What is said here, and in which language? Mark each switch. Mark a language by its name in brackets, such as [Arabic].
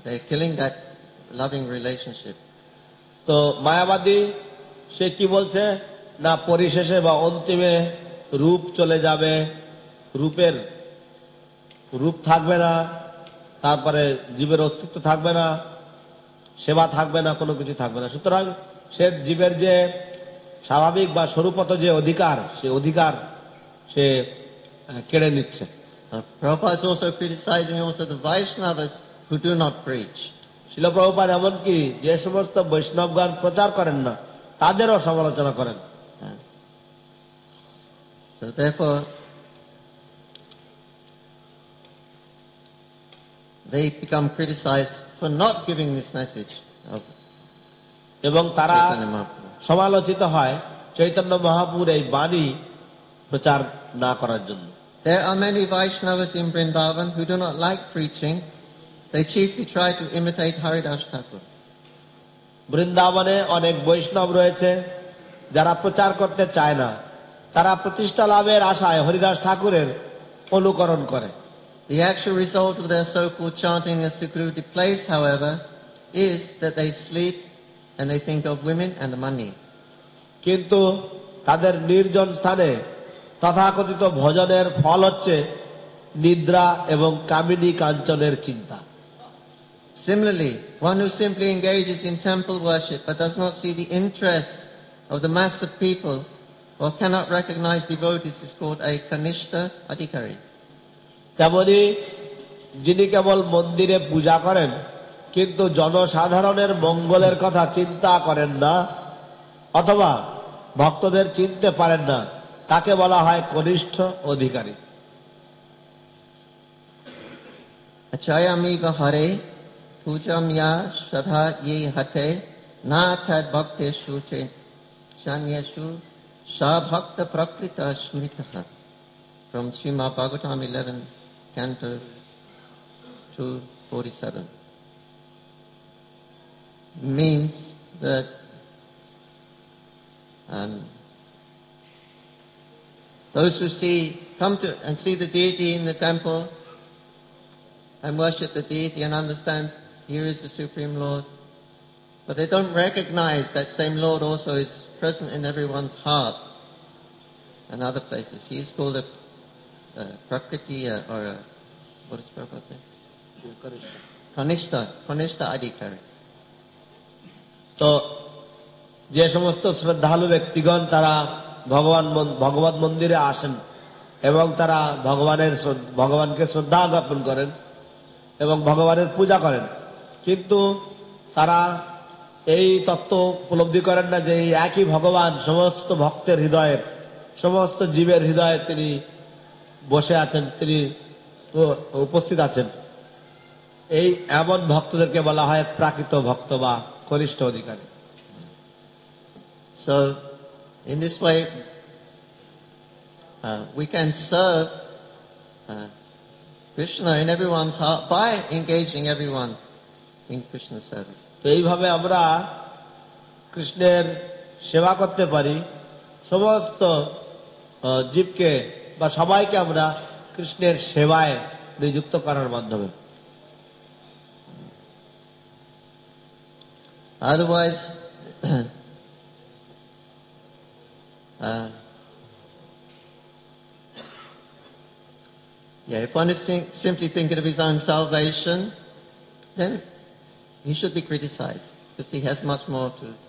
[English] They're killing that loving relationship. [Bangla] তো মায়াবাদী সে কি বলছে, না পরিশেষে বা অন্তিমে রূপ চলে যাবে, রূপের রূপ থাকবে না, তারপরে জীবের অস্তিত্ব থাকবে না, সেবা থাকবে না, কোনো কিছু থাকবে না, সুতরাং সে জীবের যে স্বাভাবিক বা স্বরূপত যে অধিকার, সে অধিকার সে কেড়ে নিচ্ছে। [English] Prabhupada is also criticizing also the Vaishnavas who do not preach. [Bangla] শিল প্রভুপাদ এমনকি যে সমস্ত বৈষ্ণবগণ প্রচার করেন না তাদেরও সমালোচনা করেন। [English] So therefore, they become criticized for not giving this message of [Bangla] এবং তারা সমালোচিত হয় চৈতন্য মহাপুর এই বাণী প্রচার না করার জন্য। [English] There are many Vaishnavas in Vrindavan who do not like preaching. They chiefly try to imitate Haridas Thakur. [Bangla] বৃন্দাবনে অনেক বৈষ্ণব রয়েছে যারা প্রচার করতে চায় না, তারা প্রতিষ্ঠা লাভের আশায় হরিদাস ঠাকুরের অনুকরণ করে। [English] The actual result of their so-called chanting in a secluded place, however, is that they sleep and they think of women and money. [Bangla] কিন্তু তাদের নির্জন স্থানে তথাকথিত ভজনের ফল হচ্ছে নিদ্রা এবং কামিনী কাঞ্চনের চিন্তা। [English] Similarly, one who simply engages in temple worship but does not see the interests of the mass of people or cannot recognize devotees is called a Kanishtha Adhikari. [Bangla] তেমনি যিনি কেবল মন্দিরে পূজা করেন কিন্তু জনসাধারণের মঙ্গলের কথা চিন্তা করেন না অথবা ভক্তদের চিনতে পারেন না, তাকে বলা হয় কনিষ্ঠ অধিকারী। [Sanskrit] আচয়ামিগ হরে পূজমিয়া সদা ইয়ে হটে না থাক ভক্তেষু চান্যেষু সভক্ত প্রকৃত স্মৃত। [English] From Srimad Bhagavatam 11 Canto 247 means that those who see come to and see the deity in the temple and worship the deity and understand here is the Supreme Lord. But they don't recognize that same Lord also is present in everyone's heart and other places. He is called a Prakriti or a, what is Prabhupada saying? Kanishta. Kanishta Adhikari. [Bangla] So, যে সমস্ত শ্রদ্ধালু ব্যক্তিগণ তারা ভগবান ভগবত মন্দিরে আসেন এবং তারা ভগবানের ভগবানকে শ্রদ্ধা জ্ঞাপন করেন এবং ভগবানের পূজা করেন, কিন্তু তারা এই তত্ত্ব উপলব্ধি করেন না যে এই একই ভগবান সমস্ত ভক্তের হৃদয়ে, সমস্ত জীবের হৃদয়ে তিনি বসে আছেন, তিনি উপস্থিত আছেন। এই এমন ভক্তদেরকে বলা হয় প্রাকৃত ভক্ত বা কনিষ্ঠ অধিকারী। [English] So, in this way, we can serve Krishna in everyone's heart by engaging everyone in Krishna's service. [Bangla] So, এইভাবে আমরা কৃষ্ণের সেবা করতে পারি, সমস্ত জীবকে বা সবাইকে আমরা কৃষ্ণের সেবায় নিযুক্ত করার মাধ্যমে। [English] Otherwise, if one is simply thinking of his own salvation, then he should be criticized because he has much more to.